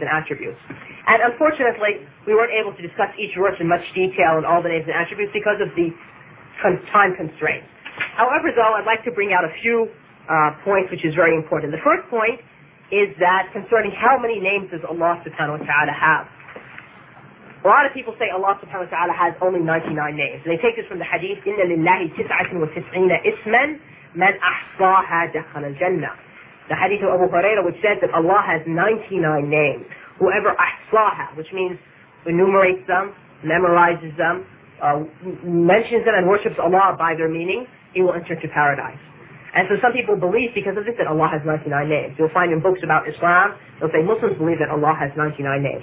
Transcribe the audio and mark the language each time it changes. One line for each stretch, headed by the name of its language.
English: And unfortunately, we weren't able to discuss each verse in much detail and all the names and attributes because of the time constraints. However, though, I'd like to bring out a few points which is very important. The first point is that concerning how many names does Allah subhanahu wa ta'ala have. A lot of people say Allah subhanahu wa ta'ala has only 99 names. And they take this from the hadith,
Arabic: إِنَّ لِلَّهِ تِسْعَةٍ وَتِسْعِينَ إِسْمًا مَنْ أَحْصَاهَا دَخَلَ الْجَنَّةِ.
English: The hadith of Abu Huraira, which says that Allah has 99 names. Whoever ahsaha, which means enumerates them, memorizes them, mentions them and worships Allah by their meaning, he will enter to paradise. And so some people believe because of this that Allah has 99 names. You'll find in books about Islam, they'll say Muslims believe that Allah has 99 names.